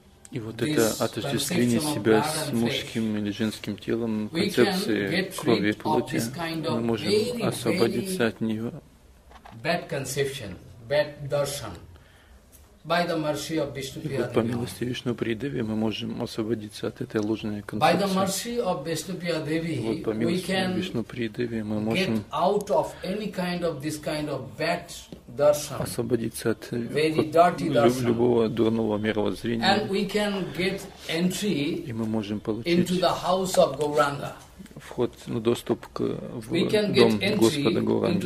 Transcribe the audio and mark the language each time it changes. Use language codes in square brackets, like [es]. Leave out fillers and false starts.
[ru] и вот это отождествление себя с мужским или женским телом, концепции крови и плоти, [en] kind of [ru] мы можем освободиться от нее. [en] Bad conception, bad darshan. By the mercy of Vishnu Priya Devi. [ru] По милости Вишну Придеви мы можем освободиться от этой ложной концепции. [en] By the mercy of Vishnu Priya Devi, we can get out of any kind of this kind of bad darshan. [ru] Освободиться от любого дурного мировоззрения. [en] And we can get entry into the house of Gauranga. [ru] Вход, ну, доступ к дом Господа Гауранги.